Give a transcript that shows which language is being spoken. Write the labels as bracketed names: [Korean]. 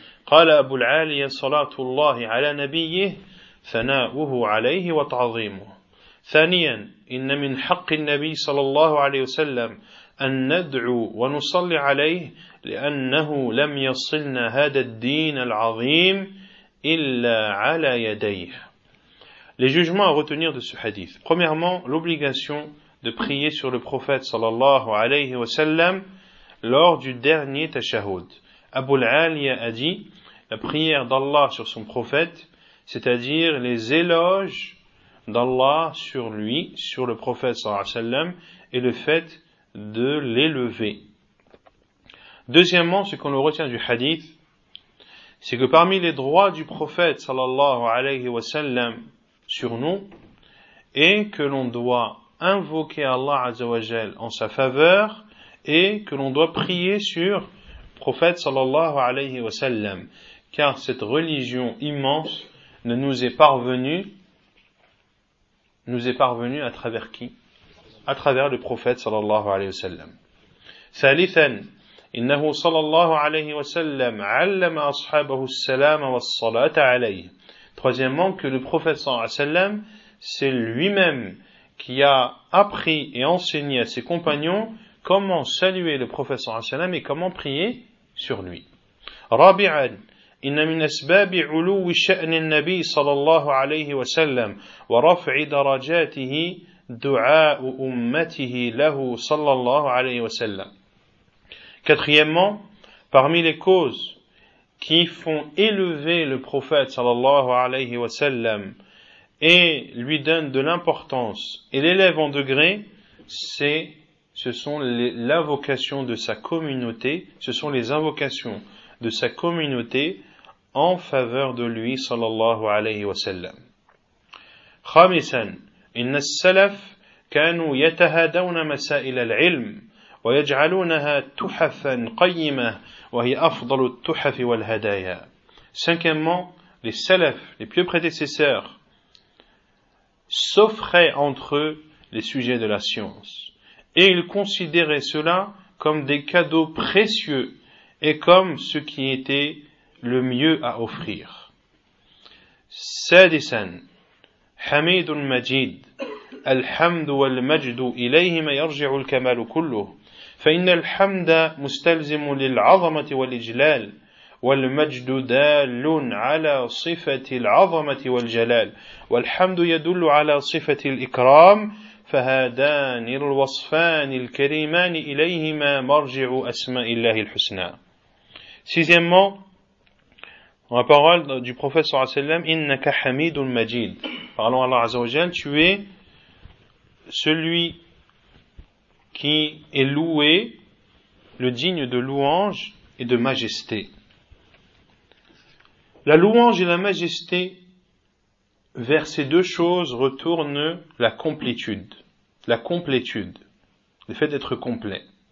[Arabic] قال أبو العالية صلاة الله على نبيه ثناؤه عليه وتعظيمه. ثانيا إن من حق النبي صلى الله عليه وسلم أن ندعو ونصلي عليه لأنه لم يصلنا هذا الدين العظيم إلا على يديه. [French] Les jugements à retenir de ce hadith. Premièrement, l'obligation de prier sur le prophète صلى الله عليه وسلم lors du dernier tashahoud. Abu al-Aliya a dit la prière d'Allah sur son prophète, c'est-à-dire les éloges d'Allah sur lui, sur le prophète sallallahu alayhi wa sallam, et le fait de l'élever. Deuxièmement, ce qu'on retient du hadith, c'est que parmi les droits du prophète sallallahu alayhi wa sallam sur nous est que l'on doit invoquer Allah azza wa jal en sa faveur et que l'on doit prier sur le prophète sallallahu alayhi wa sallam, car cette religion immense ne nous est parvenue à travers qui? À travers le prophète sallallahu alayhi wa sallam. [Arabic] Thalithan, إنه صلى الله عليه وسلم علم أصحابه السلام والصلاة عليه. [French] Troisièmement, que le prophète صلى الله عليه وسلم, c'est lui-même qui a appris et enseigné à ses compagnons comment saluer le prophète صلى الله عليه وسلم et comment prier sur lui. [Arabic] رابعا, إن من أسباب علو شأن النبي صلى الله عليه وسلم ورفع درجاته دعاء أمته له صلى الله عليه وسلم. [French] Quatrièmement, parmi les causes qui font élever le prophète sallallahu alayhi wa sallam et lui donnent de l'importance et l'élèvent en degré, ce sont l'invocation de sa communauté, ce sont les invocations de sa communauté en faveur de lui sallallahu alayhi wa sallam. [Arabic] Khamisan, inna as-salaf kanu yatahaduna masail al-ilm. ويجعلونها تحفا قيمة وهي أفضل التحف والهدايا. [French] Cinquièmement, les salafs, les pieux prédécesseurs, s'offraient entre eux les sujets de la science, et ils considéraient cela comme des cadeaux précieux et comme ce qui était le mieux à offrir. [Arabic] سادسا, حميد مجيد الحمد والمجد إليهما يرجع الكمال كله. فإن الحمد مستلزم للعظمة والإجلال والمجد دال على صفة العظمة والجلال والحمد يدل على صفة الإكرام فهذان الوصفان الكريمان إليهما مرجع أسماء الله الحسنى. [French] Sixièmement, en la parole du prophète صلى الله عليه وسلم, [Arabic] إنك حميد مجيد. [French] Parlons à Allah عز وجل, tu es celui qui est loué, le digne de louange et de majesté. La louange et la majesté, vers ces deux choses, retournent la complétude, le fait d'être complet.